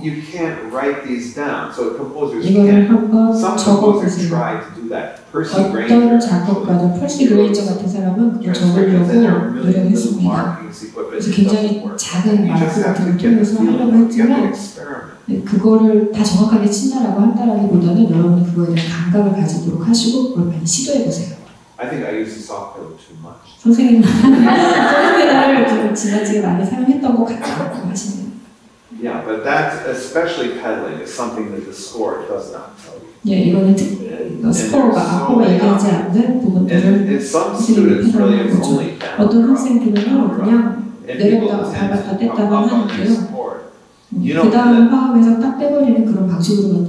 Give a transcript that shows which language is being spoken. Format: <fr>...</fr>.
<en>You can't write these down, so composers can't. Some composers try to do that. Percy Grainger,</en> <ko>작곡가도 퍼시 그레인저 같은 사람은 저걸로 노력했습니다. 굉장히 작은 마크를 통해서 하려고 했지만 그거를 다 정확하게 친다라고 한다라기보다는 여러분이 그거에 대한 감각을 가지도록 하시고 그걸 많이 시도해 보세요.</ko> <en>I think I use the soft pedal too much.</en> <ko>선생님은 소프트 페달을 지나치게 많이 사용했던 것 같다고 하시네요.</ko> <en>Yeah, but that especially pedaling is something that the score does not tell you.</en> <ko>예, 이거는 특히 스코어가 앞으로 얘기하지 않는 부분들을 선생님이 편하는 거죠. 어떤 학생들은요, 그냥 내렸다가 밟았다 뗐다가 하는데요. 그 다음 파음에서 딱 빼버리는 그런 방식으로</ko>